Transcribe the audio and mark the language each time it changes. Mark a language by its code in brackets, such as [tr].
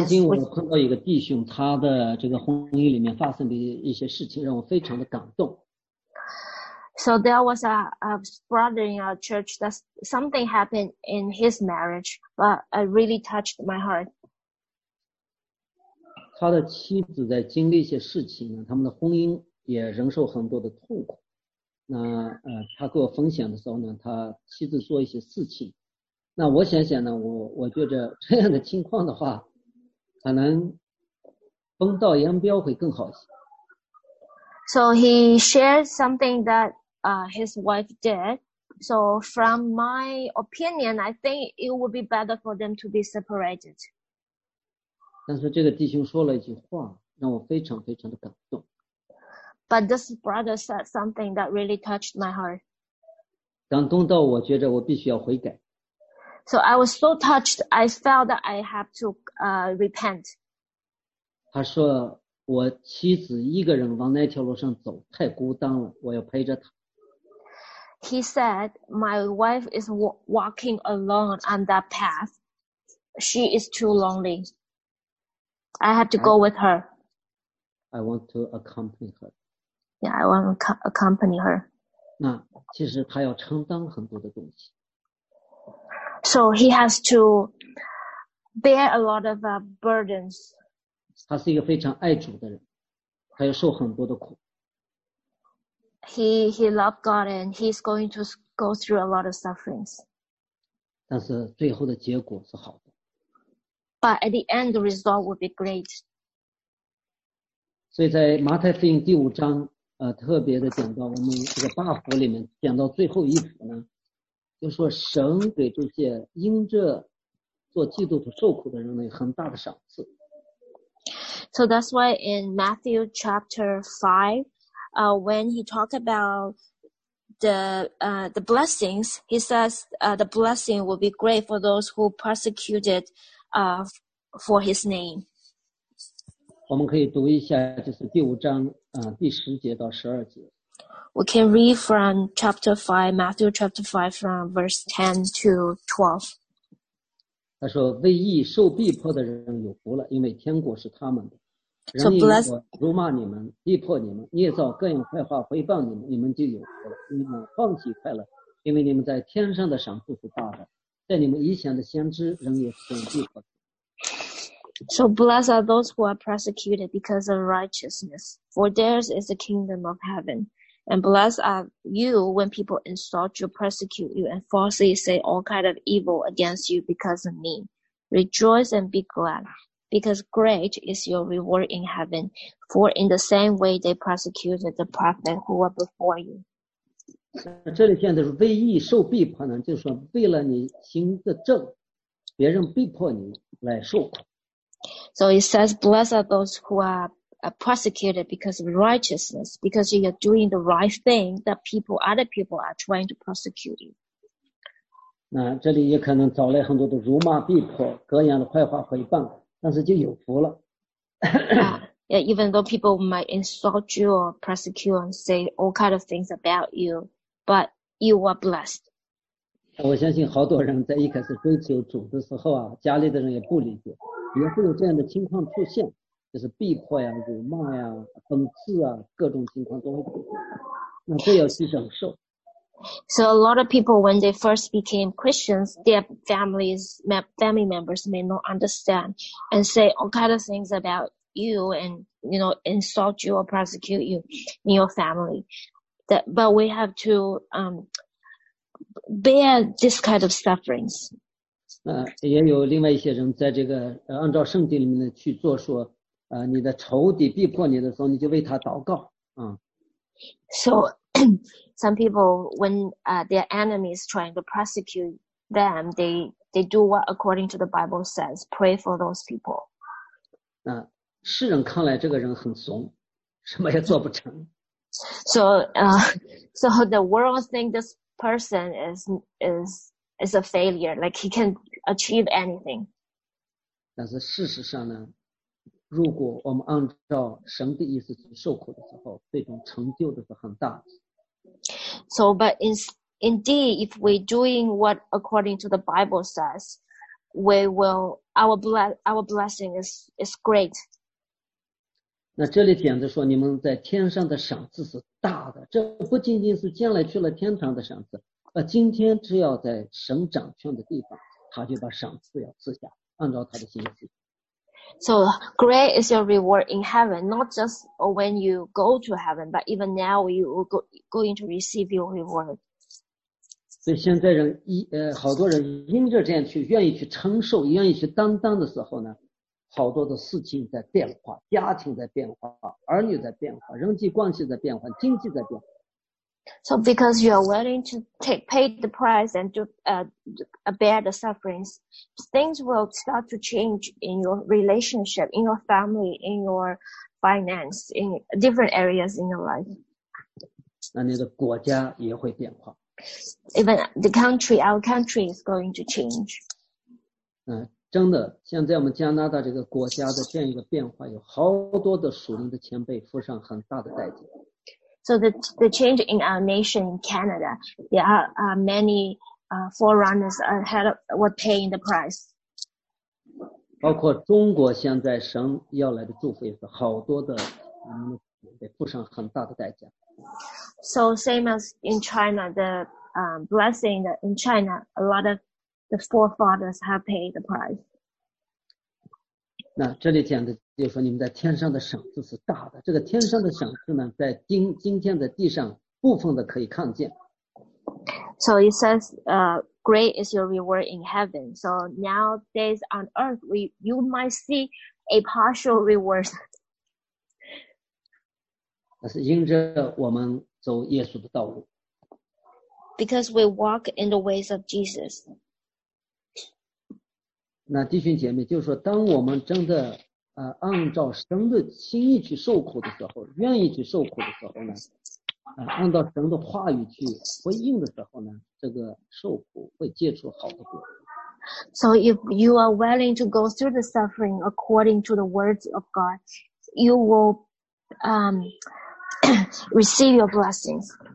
[zh] 曾经我碰到一个弟兄，他的这个婚姻里面发生的一些事情让我非常的感动。 [en] So there was a brother in our church that something happened in his marriage, but it really touched my heart. [zh] 他的妻子在经历一些事情呢，他们的婚姻也忍受很多的痛苦。那他给我分享的时候呢，他妻子做一些事情。那我想想呢，我觉得这样的情况的话，可能分道扬镳会更好些。 [en] So he shared something that his wife did. So from my opinion, I think it would be better for them to be separated. [zh] 但是这个弟兄说了一句话，让我非常非常的感动。 [en] But this brother said something that really touched my heart. [zh] 感动到我觉得我必须要悔改。 [en] So I was so touched, I felt that I have to repent. [zh] 他说我妻子一个人往那条路上走，太孤单了，我要陪着她。 [en] He said, my wife is walking alone on that path. She is too lonely. I have to go with her. I want to accompany her. Yeah, I want to accompany her. [zh] 那其实他要承担很多的东西。 [en] So he has to bear a lot of burdens. [zh] 他是一个非常爱主的人，他要受很多的苦。 [en] He loved God and he's going to go through a lot of sufferings. [zh] 但是最后的结果是好的。 [en] But at the end, the result would be great. [zh] 所以在马太福音第五章，特别的讲到我们这个八福里面，讲到最后一福呢，就说神给这些因着做基督徒受苦的人呢，很大的赏赐。 [en] So that's why in Matthew chapter 5, when he talked about the blessings, he says the blessing will be great for those who persecuted. For his name. [zh] 我们可以读一下，就是第五章，第十节到十二节。 [en] We can read from chapter 5, Matthew chapter 5, from verse 10 to 12. [zh] 他说，为义受逼迫的人有福了，因为天国是他们的。 [en] So bless. [zh] 人因我辱骂你们，逼迫你们，捏造各样坏话回报你们，你们就有福了。你们欢喜快乐，因为你们在天上的赏赐是大的。在你们以前的先知仍也是逼迫的。 [en] So blessed are those who are persecuted because of righteousness, for theirs is the kingdom of heaven. And blessed are you when people insult you, persecute you, and falsely say all kind of evil against you because of me. Rejoice and be glad, because great is your reward in heaven, for in the same way they persecuted the prophet who were before you. [zh] 这里现在是为义受逼迫呢，就是说为了你行的正，别人逼迫你来受苦。 [en] So it says, blessed are those who are persecuted because of righteousness, because you are doing the right thing that people, other people are trying to persecute you. [zh] 那这里也可能找来很多的辱骂、逼迫、各样的坏话回报，但是就有福了。 [en] Yeah, even though people might insult you or persecute and say all kind of things about you, but you are blessed. [zh] 我相信好多人在一开始追求主的时候啊，家里的人也不理解，也会有这样的情况出现，就是逼迫呀、辱骂呀、讽刺啊，各种情况都会出现，那这要去忍受。 [en] So a lot of people, when they first became Christians, their families, family members may not understand and say all kind of things about you and, you know, insult you or persecute you in your family. That, but we have to, bear this kind of sufferings. [zh] 也有另外一些人在这个按照圣经里面的去做说，你的仇敌逼迫你的时候，你就为他祷告， [en] So, some people, when their enemies trying to persecute them, they do what according to the Bible says, pray for those people. [zh] 世人看来这个人很怂，什么也做不成。 [en] So, so the world think this person is a failure, like he can achieve anything. [zh] 但是事实上呢，如果我们按照神的意思去受苦的时候，这种成就的是很大的。 [en] So, but indeed, if we're doing what according to the Bible says, we will, our blessing is great. [zh] 那这里讲的说你们在天上的赏赐是大的，这不仅仅是将来去了天堂的赏赐，今天只要在神掌权的地方，他就把赏赐要赐下，按照他的心意。 [en] So great is your reward in heaven, not just when you go to heaven, but even now you will going to receive your reward. [zh] 所以现在人好多人因着这样去愿意去承受，愿意去担当的时候呢，好多的事情在变化，家庭在变化，儿女在变化，人际关系在变化，经济在变化。 [en] So because you are willing to pay the price and to bear the sufferings, things will start to change in your relationship, in your family, in your finance, in different areas in your life. [zh] 那你的国家也会变化。 [en] Even the country, our country is going to change. [zh] 真的，现在我们加拿大这个国家的这样一个变化，有好多的属灵的前辈付上很大的代价。 [en] So the change in our nation in Canada, there are many forerunners ahead of were paying the price. [zh] 包括中国现在神要来的祝福也是好多的，得付上很大的代价。 [en] So same as in China, the blessing that in China, a lot of the forefathers have paid the price. [zh] 那这里讲的就是说你们在天上的赏赐是大的，这个天上的赏赐呢在今天的地上部分的可以看见。 [en] So it says great is your reward in heaven, so nowadays on earth you might see a partial reward. [zh] 那是因着我们走耶稣的道路。 [en] Because we walk in the ways of Jesus. [zh] 那弟兄姐妹，就是说当我们真的按照神的心意去受苦的时候，愿意去受苦的时候呢，按照神的话语去回应的时候呢，这个受苦会结出好的果。 [en] So if you are willing to go through the suffering according to the words of God, you will receive your blessings.